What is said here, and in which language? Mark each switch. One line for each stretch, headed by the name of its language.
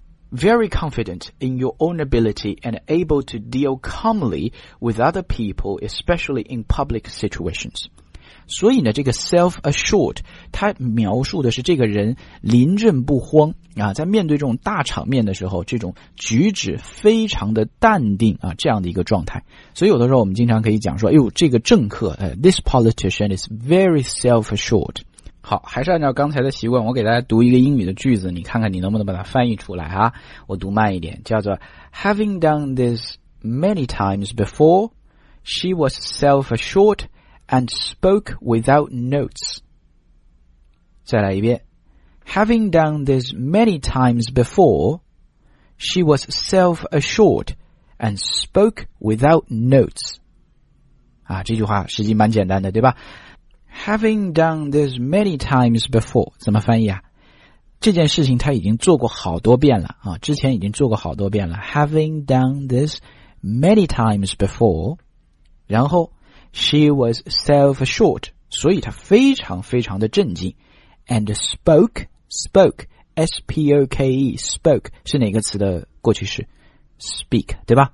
English: Very confident in your own ability and able to deal calmly with other people, especially in public situations.
Chinese: 所以呢，这个 self-assured 它描述的是这个人临阵不慌啊，在面对这种大场面的时候，这种举止非常的淡定啊，这样的一个状态。所以有的时候我们经常可以讲说，哎呦，这个政客
English: this politician is very self-assured.
Chinese: 好，还是按照刚才的习惯，我给大家读一个英语的句子，你看看你能不能把它翻译出来啊。我读慢一点，叫做
English: Having done this many times before, she was self-assured and spoke without notes.
Chinese: 再来一遍。
English: Having done this many times before, she was self-assured and spoke without notes.
Chinese: 啊，这句话实际蛮简单的，对吧？
English: Having done this many times before,
Chinese: 怎么翻译啊？这件事情他已经做过好多遍了，啊，之前已经做过好多遍了。
English: Having done this many times before,
Chinese: 然后
English: she was self-assured,
Chinese: 所以他非常非常的震惊
English: and spoke, S-P-O-K-E, spoke,
Chinese: 是哪个词的过去式
English: ?speak,
Chinese: 对吧？